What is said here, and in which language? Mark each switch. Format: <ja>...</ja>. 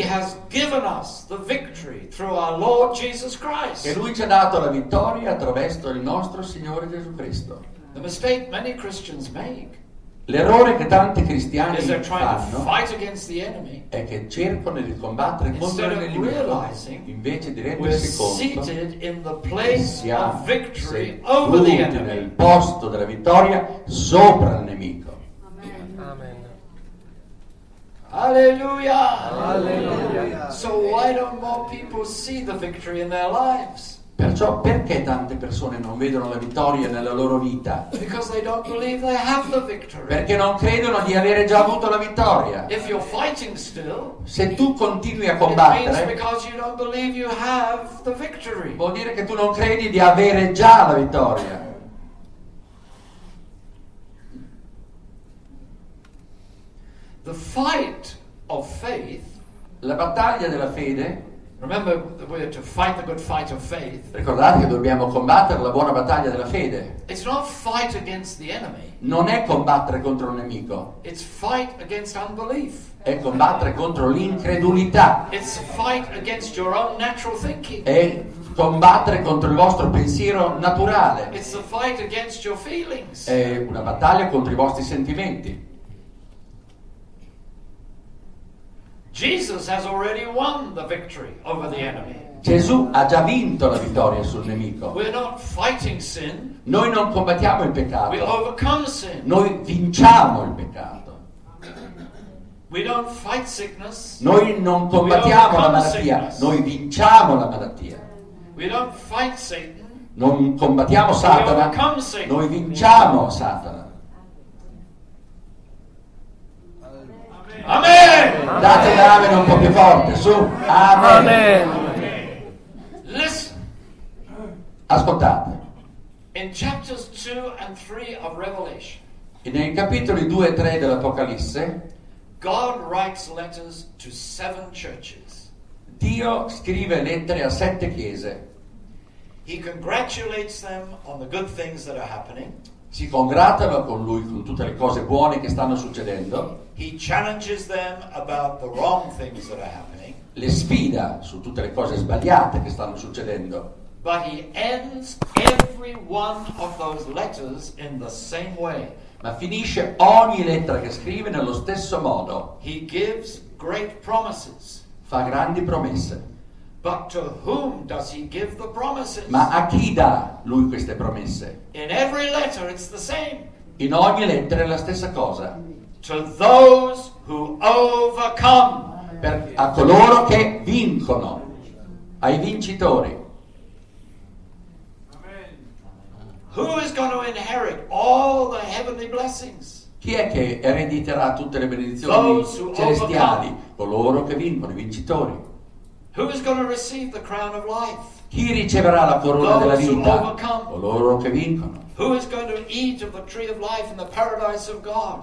<en>he has given us the victory through our Lord Jesus Christ.</en> <it>E lui ci ha dato la vittoria attraverso il nostro Signore Gesù Cristo.</it> <en>The mistake many Christians make,</en> <it>L'errore che tanti cristiani fanno</it> <en>fight against the enemy,</en> <it>è che cercano di combattere contro il nemico invece di rendersi conto</it> <en>in the place</en> <it>che siamo</it> <en>of victory over the enemy.</en> <it>Nel posto della vittoria sopra il nemico. Amen. Alleluia. Alleluia.</it> <en>So why don't more people see the victory in their lives?</en> <it>Perciò perché tante persone non vedono la vittoria nella loro vita?</it> <en>Because they don't believe they have the victory.</en> <it>Perché non credono di avere già avuto la vittoria.</it> <en>If you're fighting still,</en> <it>se tu continui a combattere,</it> <en>it means because you don't believe you have the victory.</en> <it>Vuol dire che tu non credi di avere già la vittoria.</it> <en>The fight of faith,</en> <it>la battaglia della fede.</it> <en>Remember that we have to fight the good fight of faith.</en> <it>Ricordate che dobbiamo combattere la buona battaglia della fede.</it> <en>It's not fight against the enemy.</en> <it>Non è combattere contro il nemico.</it> <en>It's fight against unbelief.</en> <it>È combattere contro l'incredulità.</it> <en>It's fight against your own natural thinking.</en> <it>È combattere contro il vostro pensiero naturale.</it> <en>It's a fight against your feelings.</en> <it>È una battaglia contro i vostri sentimenti.</it> <en>Jesus has already won the victory over the enemy.</en> <it>Gesù ha già vinto la vittoria sul nemico.</it> <en>We're not fighting sin.</en> <it>Noi non combattiamo il peccato.</it> <en>We overcome sin.</en> <it>Noi vinciamo il peccato.</it> <en>We don't fight sickness.</en> <it>Noi non combattiamo la malattia.</it> <en>Sickness.</en> <it>Noi vinciamo la malattia.</it> <en>We don't fight Satan.</en> <it>Non combattiamo Satana.</it> <en>We overcome sin.</en> <it>Noi vinciamo Satana. Amen. Date un amen un po' più forte, su. Amen. Amen.</it> <en>Listen.</en> <it>Ascoltate.</it> <en>In chapters 2 and 3 of Revelation.</en> <it>E nei capitoli 2 e 3 dell'Apocalisse,</it> <en>God writes letters to seven churches.</en> <it>Dio scrive lettere a sette chiese.</it> <en>He congratulates them on the good things that are happening.</en> <it>Si congratulano con lui con tutte le cose buone che stanno succedendo.</it> <en>He challenges them about the wrong things that are happening.</en> <it>Le sfida su tutte le cose sbagliate che stanno succedendo.</it> <en>But he ends every one of those letters in the same way.</en> <it>Ma finisce ogni lettera che scrive nello stesso modo.</it> <en>He gives great promises.</en> <it>Fa grandi promesse.</it> <en>But to whom does he give the promises?</en> <it>Ma a chi dà lui queste promesse?</it> <en>In every letter it's the same.</en> <it>In ogni lettera è la stessa cosa.</it> <en>To those who overcome.</en> <it>Per, a coloro che vincono. Ai vincitori.</it> <en>Who is going to inherit all the heavenly blessings?</en> <it>Chi è che erediterà tutte le benedizioni celestiali? Coloro che vincono, i vincitori.</it> <en>Who is going to receive the crown of life?</en> <it>Chi riceverà la corona</it> <en>those</en> <it>della vita?</it> <en>Who overcome.</en> <it>Coloro che vincono.</it> <en>Who is going to eat of the tree of life in the paradise of God?</en>